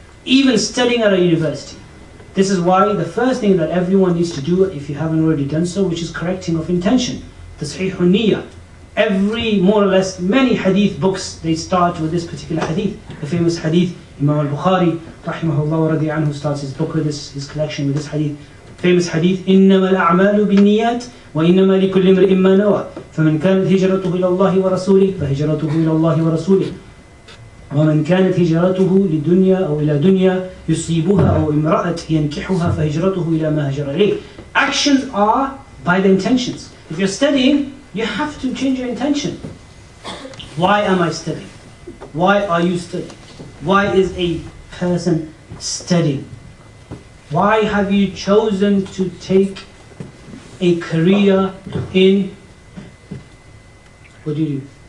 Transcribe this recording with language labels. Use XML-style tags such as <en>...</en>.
<en>Even studying at a university. This is why the first thing that everyone needs to do, if you haven't already done so, which is correcting of intention. The Sahihun Niyyah. Every, more or less, many hadith books, they start with this particular hadith. The famous hadith, Imam al-Bukhari, rahimahullah radhi anhu, starts his book with this, his collection with this hadith. Famous hadith,</en> <ar>إِنَّمَا الْأَعْمَالُ بِالنِّيَّاتِ وَإِنَّمَا لِكُلِّ امْرِئٍ مَّا نَوَى فَمَنْ كَانَتْ هِجْرَتُهُ إِلَى اللَّهِ وَرَسُولِهِ فَهِجْرَتُهُ إِلَى اللَّهِ وَرَسُولِهِ وَمَنْ كَانَتْ هِجْرَتُهُ لِدُنْيَا أَوْ إِلَى دُنْيَا يُصِيبُهَا أَوْ إِمْرَأَةٍ يَنْكِحُهَا فَهِجْرَتُهُ إِلَى مَا هَجَرَ إِلَيْهِ.</ar> <en>Actions are by the intentions. If you're studying, you have to change your intention. Why am I studying? Why are you studying? Why is a person studying? Why have you chosen to take a career in... What do you do?</en>